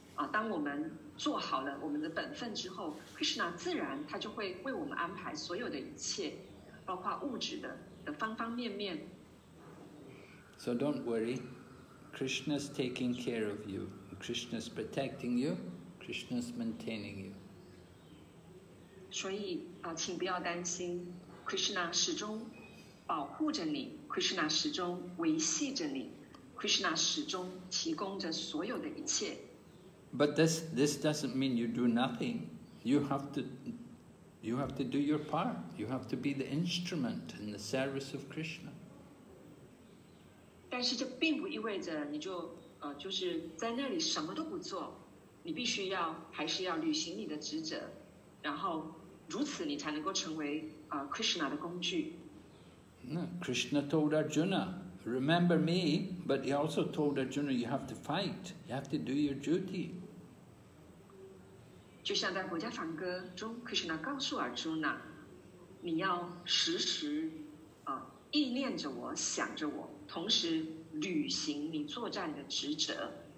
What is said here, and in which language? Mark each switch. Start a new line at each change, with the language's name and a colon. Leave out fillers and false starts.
Chinese: 当我们做好了我们的本分之后， Krishna 自然他就会为我们安排所有的一切，包括物质的方方面面。
English: So don't worry. Krishna's taking care of you, Krishna's protecting you, Krishna's maintaining you.
Chinese: 所以, 请不要担心, Krishna 始终保护着你, Krishna 始终维系着你, Krishna 始终提供着所有的一切。
English: But this doesn't mean you do nothing. You have to do your part. You have to be the instrument in the service of Krishna.
Chinese: 但是这并不意味着你就就是在那里什么都不做，你必须要还是要履行你的职责，然后如此你才能够成为Krishna 的工具。
English: No, Krishna told Arjuna, "Remember me," but he also told Arjuna, "You have to fight. You have to do your duty."
Chinese: 就像在《国家梵歌》中 ，Krishna 告诉 Arjuna, 你要时时意念着我，想着我，同时履行你作战的职责。